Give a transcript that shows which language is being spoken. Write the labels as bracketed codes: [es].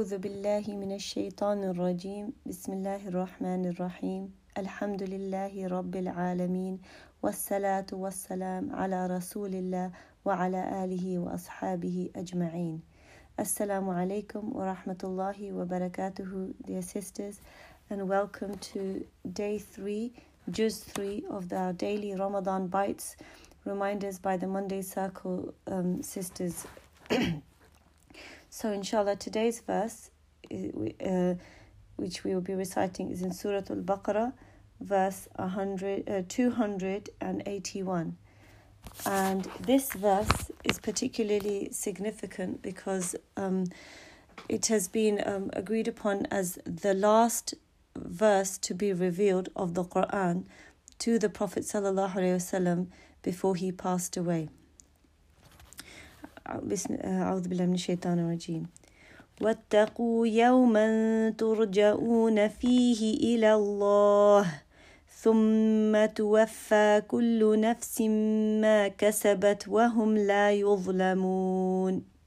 [ar] أعوذ بالله من الشيطان الرجيم. بسم الله الرحمن الرحيم. الحمد لله رب العالمين، والصلاة والسلام على رسول الله وعلى آله وأصحابه أجمعين. السلام عليكم ورحمة الله وبركاته. [en] Dear sisters, and welcome to day 3, juz 3 of our daily Ramadan Bites, reminders by the Monday Circle sisters. So inshallah, today's verse which we will be reciting is in Surah Al-Baqarah, verse 281. And this verse is particularly significant because it has been agreed upon as the last verse to be revealed of the Quran to the Prophet sallallahu alaihi wasallam before he passed away. [ar] A'udhu billahi minash shaitanir rajeem. وَاتَّقُوا يَوْمًا تُرْجَعُونَ فِيهِ إِلَى اللَّهِ ثم توفى كل نفس ما كسبت وهم لا يظلمون.